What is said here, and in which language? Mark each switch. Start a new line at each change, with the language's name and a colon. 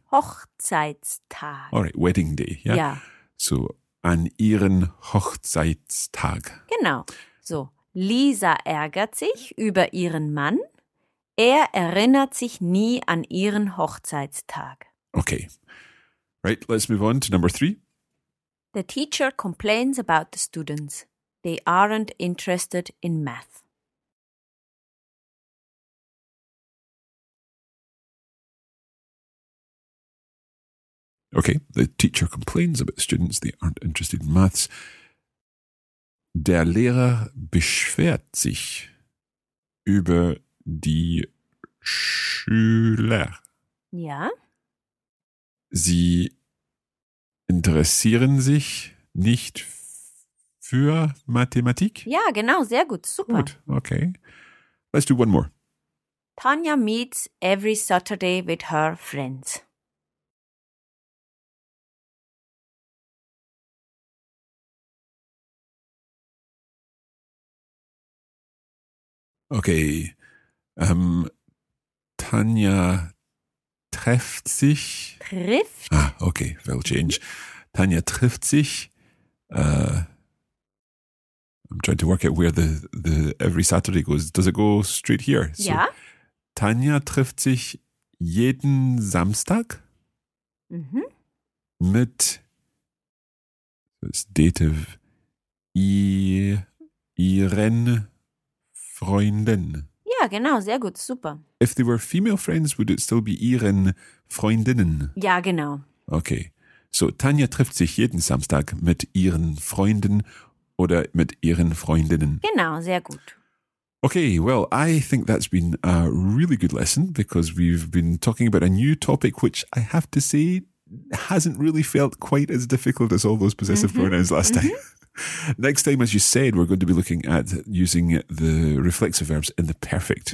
German: Hochzeitstag.
English: All right, wedding day,
German: ja? Ja. So, an ihren Hochzeitstag. Genau. So, Lisa ärgert sich über ihren Mann. Er erinnert sich nie an ihren Hochzeitstag. Okay.
English: Right, let's move on to number three. The teacher complains about the students. They aren't interested in math. Okay, the teacher complains about students, they aren't interested in maths.
German: Der Lehrer beschwert sich über die Schüler. Ja. Sie interessieren sich nicht für Mathematik? Ja, genau, sehr gut, super. Gut,
English: okay. Let's do one more. Tanya meets every Saturday with her friends.
German: Okay, Tanja trifft sich. Trifft?
English: Ah, okay, will change.
German: Tanja trifft sich.
English: I'm trying to work out where the every Saturday goes. Does it go straight here?
German: So, ja. Tanja trifft sich jeden Samstag mit, das Dativ, ihren Freunden. Ja, genau, sehr gut, super.
English: If they were female friends, would it still be
German: ihren Freundinnen? Ja, genau. Okay, so Tanja trifft sich jeden Samstag mit ihren Freunden oder mit ihren Freundinnen. Genau, sehr gut.
English: Okay, well, I think that's been a really good lesson because we've been talking about a new topic which I have to say hasn't really felt quite as difficult as all those possessive pronouns last time. Next time, as you said, we're going to be looking at using the reflexive verbs in the perfect.